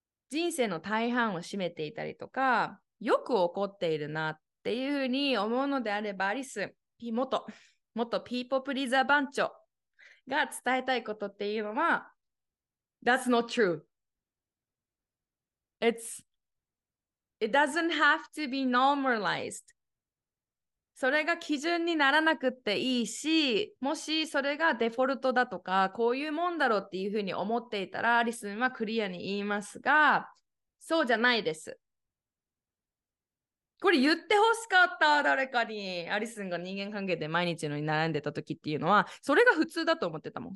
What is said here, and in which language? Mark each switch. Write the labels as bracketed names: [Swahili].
[Japanese] 人生の大半を占めていたりとか、よく起こっているなっていうふうに思うのであれば、アリス、元ピーポープリーザー番長が伝えたいことっていうのは、 [English] That's not true. It doesn't have to be normalized. [Japanese] それが基準にならなくっていいし、もしそれがデフォルトだとか、こういうもんだろうっていうふうに思っていたら、アリスはクリアに言いますが、そうじゃないです。これ言ってほしかった、誰かに。アリスンが人間関係で毎日のに悩んでた時っていうのは、それが普通だと思ってたもん。